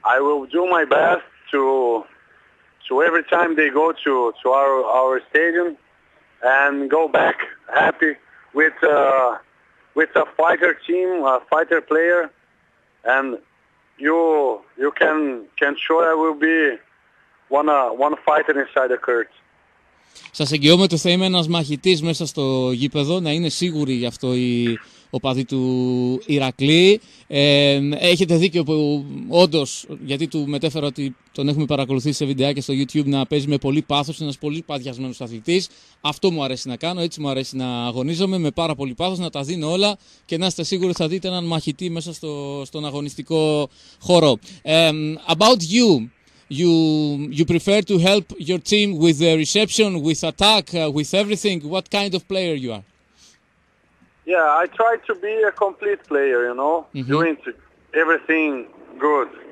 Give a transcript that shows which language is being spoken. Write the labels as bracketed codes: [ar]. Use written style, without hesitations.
[en] I will do my best to every time they go to our stadium and go back happy with a fighter team, a fighter player, and you can show I will be one fighter inside the court. [el] Σας εγγυώμαι ότι θα είμαι ένας μαχητής μέσα στο γήπεδο, να είναι σίγουροι γι' αυτό οι οπαδοί του Ηρακλή. Έχετε δίκιο που όντως, γιατί του μετέφερα ότι τον έχουμε παρακολουθήσει σε βιντεάκια στο YouTube, να παίζει με πολύ πάθος, ένας πολύ παδιασμένος αθλητής. Αυτό μου αρέσει να κάνω, έτσι μου αρέσει να αγωνίζομαι με πάρα πολύ πάθος, να τα δίνω όλα και να είστε σίγουροι θα δείτε έναν μαχητή μέσα στον αγωνιστικό χώρο. [en] About you. You prefer to help your team with the reception, with attack, with everything. What kind of player you are? Yeah, I try to be a complete player, you know, doing everything good.